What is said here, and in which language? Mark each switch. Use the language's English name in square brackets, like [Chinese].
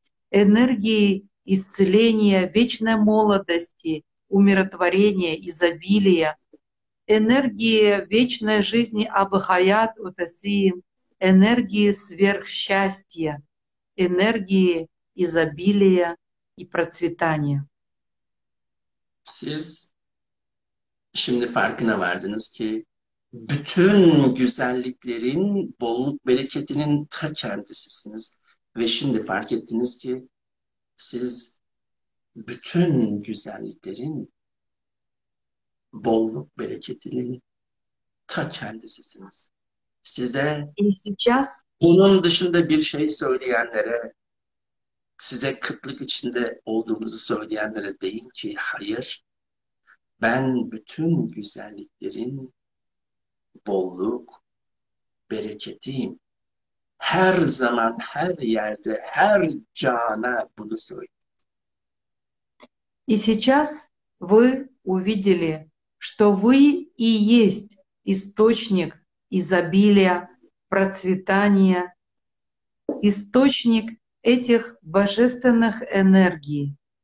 [Russian] Энергии исцеления, вечной молодости, умиротворения, изобилия, энергии вечной жизни Абхаят Утасиим, энергии сверхсчастья, энергии изобилия и процветания. [Turkish] Siz şimdi farkına vardınız ki bütün güzelliklerin, bolluk bereketinin ta kendisisiniz ve şimdi fark ettiniz ki siz bütün güzelliklerin, bolluk bereketinin ta kendisisiniz. Size [Russian] сейчас... [Turkish] bunun dışında bir şey söyleyenlere, size kıtlık içinde olduğunuzu söyleyenlere deyin ki hayır, ben bütün güzelliklerin bolluk, bereketiyim. Her zaman, her yerde, her cana bunu söyleyin. [Russian] И сейчас вы увидели, что вы и есть источник изобилия, процветания, источник этих божественных энергий.